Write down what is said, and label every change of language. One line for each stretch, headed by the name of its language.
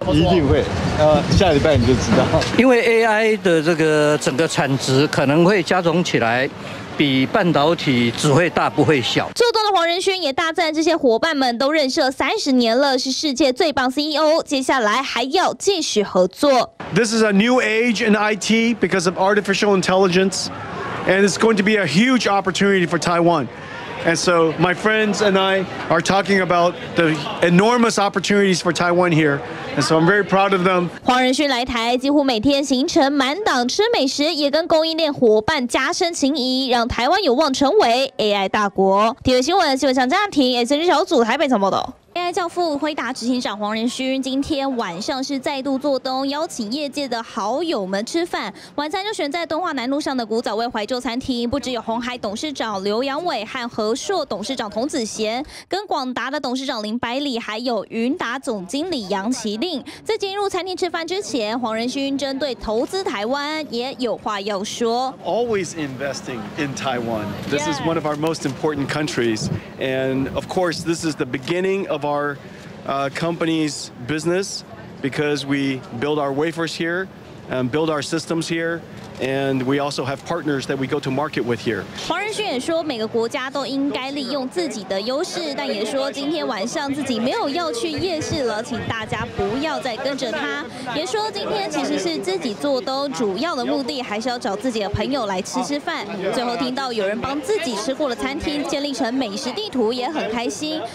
Chinese: 一定会，下礼拜你就知道。因为 AI 的这个整个产值可能会加重起来，比半导体只会大不会小。做多的黄仁勋也大赞这些伙伴们都认识了30年了，是世界最棒 CEO， 接下来还要继续合作。
English: This is a new age in IT because of artificial intelligence. And it's going to be a huge opportunity for Taiwan. And so my friends and I are talking about the enormous opportunities for Taiwan here. And so I'm very proud of them.
Chinese: 黄仁勋来台几乎每天行程满档，吃美食也跟供应链伙伴加深情谊，让台湾有望成为 AI 大国。体育新闻，新闻向家庭 SNG 小组台北总报道。AI 教父辉达执行长黄仁勋今天晚上是再度做东，邀请业界的好友们吃饭，晚餐就选在敦化南路上的古早味怀旧餐厅，不只有鸿海董事长刘扬伟和和硕董事长童子贤，跟广达的董事长林百里，还有云达总经理杨其令。在进入餐厅吃饭之前，黄仁勋针对投资台湾也有话要说。
English: Always investing in Taiwan. This is one of our most important countries. And of course, this is the beginning of our company's business because we build our wafers here and build our systems here. And we also have partners that we go to market with here.
Chinese: 黄仁勋也说，每个国家都应该利用自己的优势，但也说今天晚上自己没有要去夜市了，请大家不要再跟着他。也说今天其实是自己做东，主要的目的还是要找自己的朋友来吃吃饭。最后听到有人帮自己吃过的餐厅建立成美食地图，也很开心。